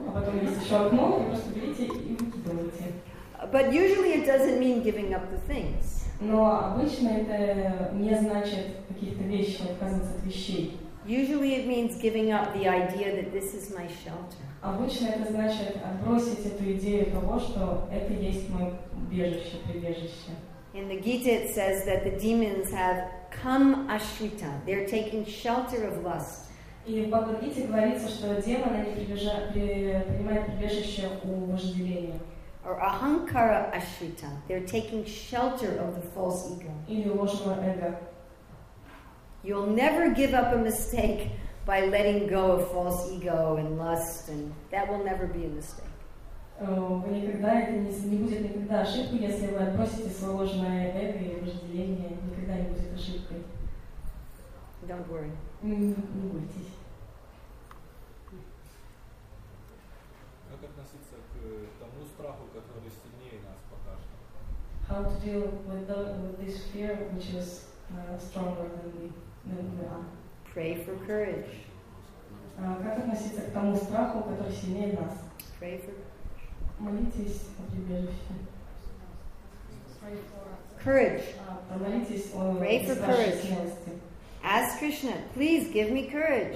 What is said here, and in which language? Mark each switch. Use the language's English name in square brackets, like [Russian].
[Russian] А потом есть еще окно, и просто берите и выкидываете. [English] But usually it doesn't mean giving up the things. [Russian] Но обычно это не значит каких-то вещей, отказываться от вещей. [English] Usually it means giving up the idea that this is my shelter. [Russian] Обычно это значит отбросить эту идею того, что это есть мое убежище, прибежище. [English] In the Gita it says that the demons have kam ashrita. They're taking shelter of lust. [Russian] И в Бхагавад-гите говорится, что демоны принимают прибежище у вожделения. [English] Or ahankara ashrita. They're taking shelter of the false ego. [Russian] Или ложного эго. [English] You'll never give up a mistake by letting go of false ego and lust, and that will never be a mistake. [Russian] Вы никогда это не будет никогда ошибкой, если вы отбросите свое ложное эго и вожделение, никогда не будет ошибкой. [English] Don't worry. [Russian] Не бойтесь. Как относиться к тому страху, который сильнее нас пока что? [English] How to deal with this fear which is stronger than we are? Pray for courage. [Russian] Как относиться к тому страху, который сильнее нас? [English] Pray for courage. Courage. Pray for courage. Ask Krishna, please give me courage.